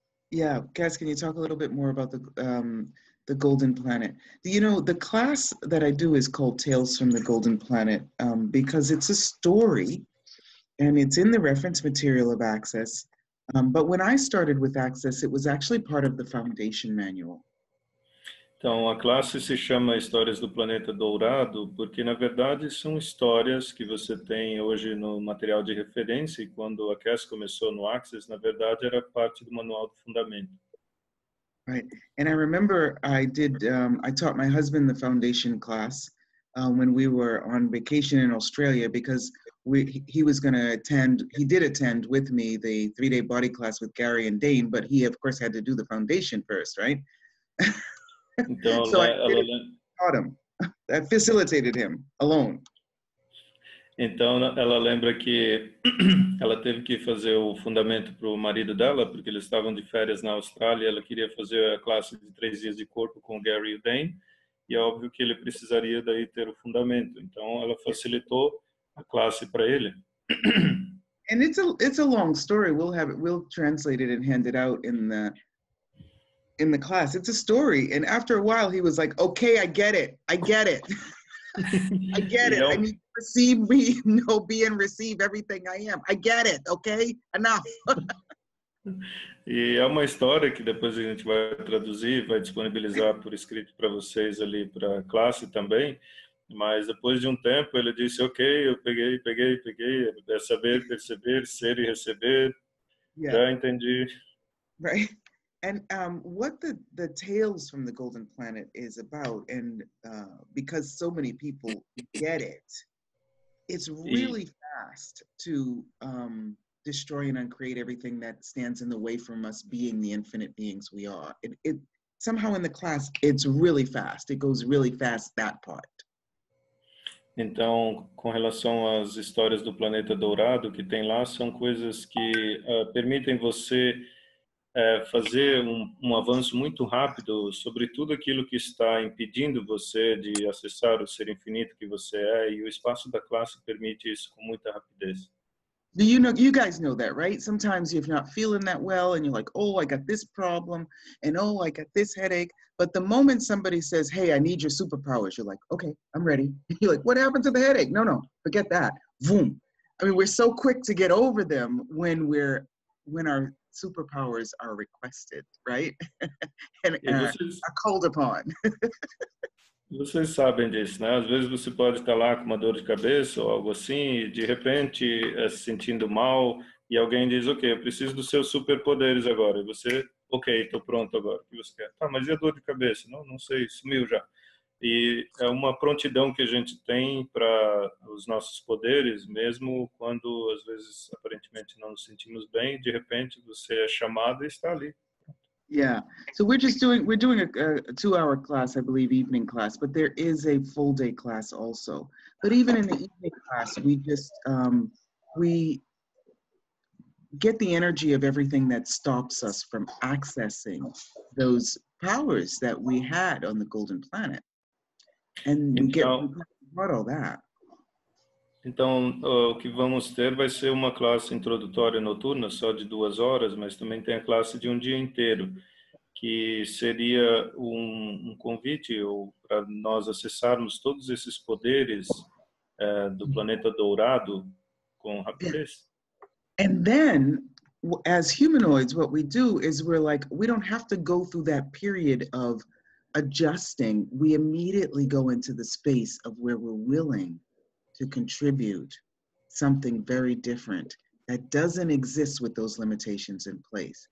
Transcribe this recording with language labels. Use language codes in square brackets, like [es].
[en] Yeah, Cass, can you talk a little bit more about the Golden Planet? You know, the class that I do is called Tales from the Golden Planet, because it's a story. And it's in the reference material of Access. But when I started with Access, it was actually part of the Foundation Manual. [pt] Então, a classe se chama Histórias do Planeta Dourado, porque, na verdade, são histórias que você tem hoje no material de referência. E quando a Cass começou no Access, na verdade, era parte do Manual do Fundamento. [en] Right. And I remember I taught my husband the Foundation class when we were on vacation in Australia, because he was going to attend, he did attend with me the 3-day body class with Gary and Dane, but he of course had to do the foundation first, right? [pt] Então, [en] so I facilitated him alone. [pt] Então ela lembra que ela teve que fazer o fundamento para o marido dela, porque eles estavam de férias na Austrália. Ela queria fazer a classe de 3 dias de corpo com Gary e Dane, e é óbvio que ele precisaria daí ter o fundamento. Então ela facilitou a classe para ele. [en] And it's a long story. We'll translate it and hand it out in the class. It's a story. And after a while he was like, "Okay, I get it. I get it. I get it. I need to receive me, know, be and receive everything I am. I get it, okay? Enough." [pt] E é uma história que depois a gente vai traduzir, vai disponibilizar por escrito para vocês ali para a classe também. Mas depois de tempo, ele disse, ok, eu peguei, é saber, perceber, ser e receber, yeah. Já entendi. [en] Right, and what the Tales from the Golden Planet is about, and because so many people get it, it's really fast to destroy and uncreate everything that stands in the way from us being the infinite beings we are. It somehow in the class, it's really fast, it goes really fast, that part. [pt] Então, com relação às histórias do planeta dourado que tem lá, são coisas que permitem você fazer um avanço muito rápido sobre tudo aquilo que está impedindo você de acessar o ser infinito que você é, e o espaço da classe permite isso com muita rapidez. [en] You know, you guys know that, right? Sometimes you're not feeling that well and you're like, "Oh, I got this problem," and "Oh, I got this headache." But the moment somebody says, "Hey, I need your superpowers," you're like, "Okay, I'm ready." You're like, "What happened to the headache?" No, forget that. Boom. I mean, we're so quick to get over them when our superpowers are requested, right? And are called upon. [pt] Vocês sabem disso, né? Às vezes você pode estar lá com uma dor de cabeça ou algo assim, e de repente se sentindo mal, e alguém diz, ok, eu preciso dos seus superpoderes agora. E você, ok, estou pronto agora. O que você quer? Tá, mas e a dor de cabeça? Não sei, sumiu já. E é uma prontidão que a gente tem para os nossos poderes, mesmo quando, às vezes, aparentemente não nos sentimos bem, de repente você é chamado e está ali. [en] Yeah, so we're doing a 2-hour class, I believe, evening class, but there is a full day class also. But even in the evening class, we just, we get the energy of everything that stops us from accessing those powers that we had on the golden planet. And we get what all that. [pt] Então, o que vamos ter vai ser uma classe introdutória noturna, só de 2 horas, mas também tem a classe de um dia inteiro, que seria um convite para nós acessarmos todos esses poderes do planeta dourado com rapidez. [en] And then, as humanoids, what we do is we're like, we don't have to go through that period of adjusting, we immediately go into the space of where we're willing to contribute something very different that doesn't exist with those limitations in place.